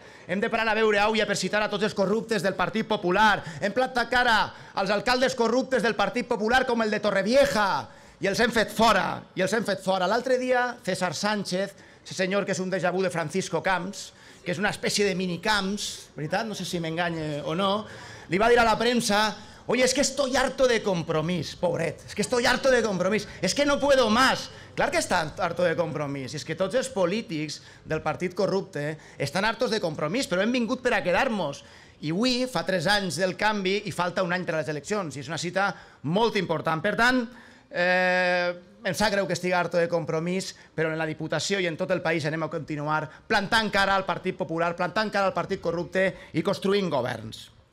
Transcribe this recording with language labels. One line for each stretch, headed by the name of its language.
Catalan: Hem de parar a veure au i a persitar a tots els corruptes del Partit Popular. Hem plantat cara als alcaldes corruptes del Partit Popular, com el de Torrevieja. I els hem fet fora. I els hem fet fora. L'altre dia, César Sánchez, aquest senyor que és un déjà vu de Francisco Camps, que és una espècie de minicamps, veritat? No sé si m'enganya o no, li va dir a la premsa:
Spanish: oye, es que estoy harto de Compromís,
Catalan: pobret,
Spanish: es que estoy harto de Compromís, es que no puedo más.
Catalan: Clar que està harto de Compromís, i és que tots els polítics del partit corrupte estan hartos de Compromís, però hem vingut per a quedar-nos. I avui fa 3 anys del canvi i falta un any per a les eleccions, i és una cita molt important. Per tant, em sap greu que estigui harto de Compromís, però en la Diputació i en tot el país anem a continuar plantant cara al Partit Popular, plantant cara al partit corrupte i construint governs.